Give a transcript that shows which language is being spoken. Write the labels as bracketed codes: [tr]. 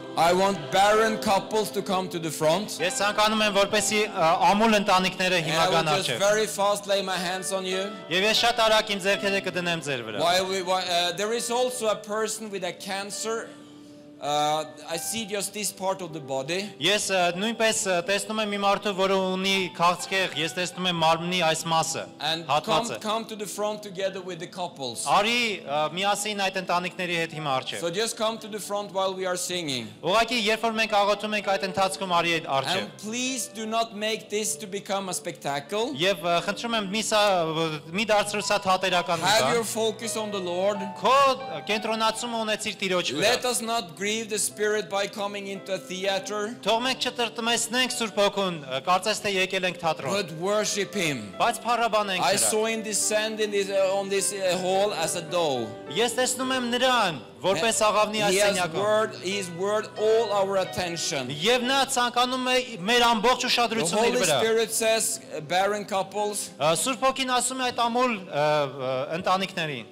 [en] I want barren couples to come to the front. [hy] Ես ցանկանում եմ, որպեսզի ամուլ ընտանիքները հիմա գան առաջ։ [en] I will just very fast lay my hands on you. [hy] Եվ ես շատ արագ իմ ձեռքերը կդնեմ ձեր վրա։ [en] There is also a person with a cancer. I see just this part of the body. [hy] Ես նույնպես տեսնում եմ մի մարդու, որը ունի քաղցկեղ, ես տեսնում եմ մարմնի այս մասը, հատվածը։ [en] Come to the front together with the couples. [hy] Արի միասին այդ ընտանիքների հետ հիմա առջև։ [en] So just come to the front while we are singing. [hy] Ուղղակի երբ որ մենք աղոթում ենք այդ ընթացքում, արի այդ առջև։ [en] And please do not make this to become a spectacle. [hy] Եվ խնդրում եմ մի դարձրու սա թատերական մի բան։ [en] Have your focus on the Lord. [hy] Քո կենտրոնացումը ունեցիր Տիրոջ վրա։ [en] Let us not grieve the spirit by coming into a theater. [hy] Թողնենք չտրտմեսնենք Սուրբ Հոգուն, կարծես թե եկել ենք թատրոն. [en] But worship him. [hy] Բայց փառաբանենք նրան. [en] I saw him descend in this on this hall as a dove. [hy] Ես տեսնում եմ նրան որպես աղավնի այս սենյակում. [en] He is worth all our attention. [hy] Եվ նա ցանկանում է մեր ամբողջ ուշադրությունը իր վրա. [en] The Holy Spirit says barren couples. [hy] Սուրբ Հոգին ասում է այդ ամուլ ընտանիքներին.